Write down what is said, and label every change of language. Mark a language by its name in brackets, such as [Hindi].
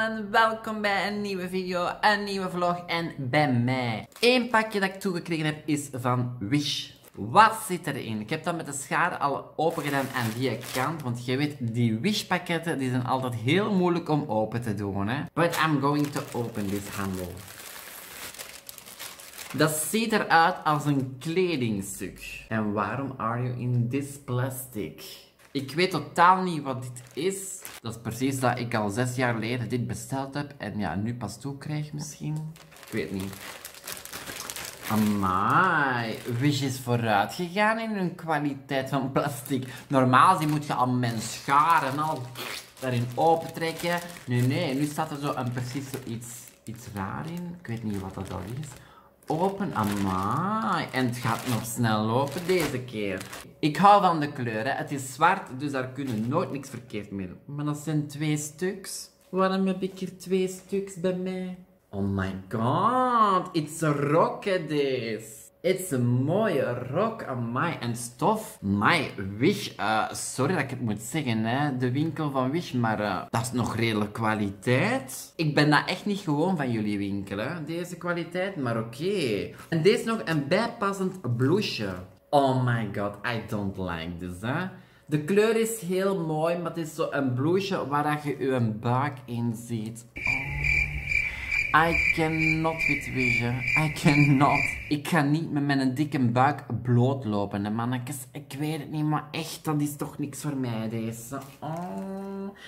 [Dutch] Welkom bij een nieuwe video, een nieuwe vlog en bij mij. Eén pakje dat ik toegekregen heb is van Wish. Wat zit erin? Ik heb dat met de schaar al open gedaan aan die kant. Want je weet, die Wish pakketten die zijn altijd heel moeilijk om open te doen. Hè? [English] But I'm going to open this handle. [Dutch] Dat ziet eruit als een kledingstuk. En waarom [English] are you in this plastic? [Dutch] Ik weet totaal niet wat dit is. Dat is precies dat ik al 6 jaar geleden dit besteld heb. En ja, nu pas toe krijg misschien. Ik weet niet. Amai. Wish is vooruit gegaan in hun kwaliteit van plastic. Normaal moet je al mijn scharen al daarin opentrekken. Nee. Nu staat er zo een, precies zo iets raar in. Ik weet niet wat dat al is. Open, amai. En het gaat nog snel lopen deze keer. Ik hou van de kleuren. Het is zwart, dus daar kunnen nooit niks verkeerd mee doen. Maar dat zijn 2 stuks. Waarom heb ik hier 2 stuks bij mij? [English] Oh my god, it's a rock, this. It's a mooie rock, amai. [Dutch] En stof, [English] my Wish. [Dutch] Sorry dat ik het moet zeggen, hè. De winkel van Wish, maar dat is nog redelijk kwaliteit. Ik ben dat echt niet gewoon van jullie winkel, hè. Deze kwaliteit, maar oké. En deze nog een bijpassend blouseje. [English] Oh my god, I don't like this, hè. [Dutch] De kleur is heel mooi, maar het is zo een blouseje waar je je buik in ziet. [English] I cannot with Wish. I cannot. [Dutch] Ik ga niet met mijn dikke buik blootlopen, hè, mannetjes. Ik weet het niet, maar echt, dat is toch niks voor mij, deze. Oh.